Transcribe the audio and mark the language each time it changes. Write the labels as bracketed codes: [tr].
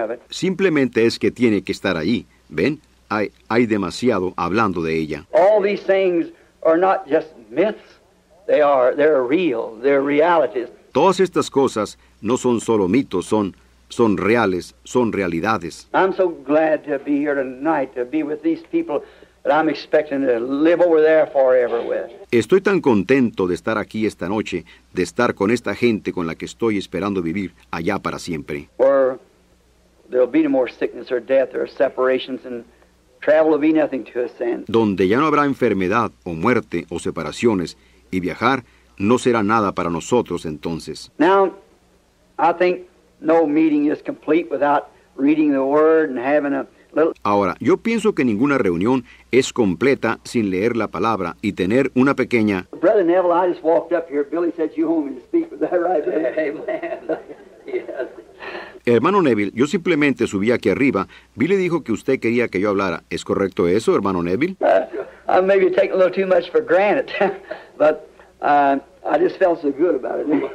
[es] Simplemente es que tiene que estar ahí, ¿ven? Hay demasiado hablando de ella. [en] All these things are not just myths. They're real. They're realities. [es] Todas estas cosas no son solo mitos, son reales, son realidades. [en] I'm so glad to be here tonight to be with these people that I'm expecting to live over there forever with. [es] Estoy tan contento de estar aquí esta noche, de estar con esta gente con la que estoy esperando vivir allá para siempre. [en] Where there'll be no more sickness or death or separations and travel will be nothing to us then. [es] Donde ya no habrá enfermedad o muerte o separaciones. Y viajar no será nada para nosotros entonces. [en] Now, I think no meeting is complete without reading the word and having a little. [es] Ahora, yo pienso que ninguna reunión es completa sin leer la palabra y tener una pequeña. [en] Brother Neville, I just walked up here. Billy said you want me to speak with that right there. Amen. Yes. [es] Hermano Neville, yo simplemente subí aquí arriba. Billy dijo que usted quería que yo hablara. ¿Es correcto eso, hermano Neville? [en] I maybe take a little too much for granted, but I just felt so good about it.